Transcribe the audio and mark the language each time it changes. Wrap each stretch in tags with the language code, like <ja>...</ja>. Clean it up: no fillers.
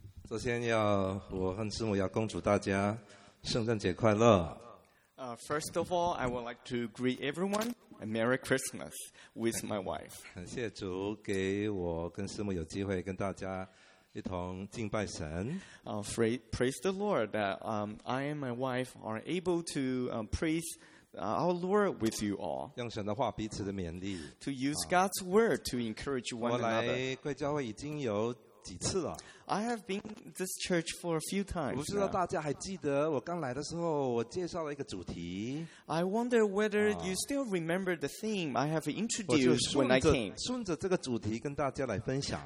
<zh>首先要我和师母要恭祝大家圣诞节快乐。</zh> <en>First of all, I would like to greet everyone a Merry Christmas with my wife.</en> <zh>感谢主给我跟师母有机会跟大家一同敬拜神。</zh> <en>Praise the Lord that I and my wife are able to praise our Lord with you all.</en> <zh>用神的话彼此的勉励。</zh> <en>To use God's word to encourage one another.</en> <zh>我来贵教会已经有几次了。</zh> <en>I have been to this church for a few times.</en> <zh>不知道大家还记得我刚来的时候我介绍了一个主题。</zh> <en>I wonder whether you still remember the theme I have introduced when I came.</en> <zh>顺着这个主题跟大家来分享。</zh>